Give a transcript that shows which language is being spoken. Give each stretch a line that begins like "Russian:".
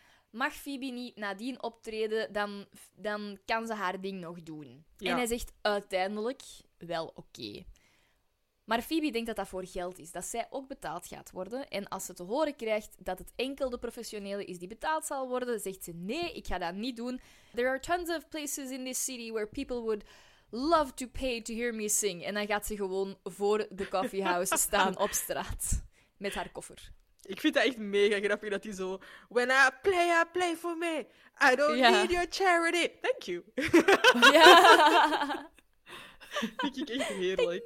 Dutch: Mag Phoebe niet nadien optreden, dan kan ze haar ding nog doen. Ja. En hij zegt uiteindelijk wel oké. Maar Phoebe denkt dat dat voor geld is, dat zij ook betaald gaat worden. En als ze te horen krijgt dat het enkel de professionele is die betaald zal worden, zegt ze nee, ik ga dat niet doen.
English: There are tons of places in this city where people would love to pay to hear me sing.
Dutch: En dan gaat ze gewoon voor de coffeehouse staan op straat met haar koffer. Ik vind dat echt mega grappig dat hij zo...
English: When I play for me. I don't need your charity. Thank you.
Dutch: Ja. Vind ik echt heerlijk.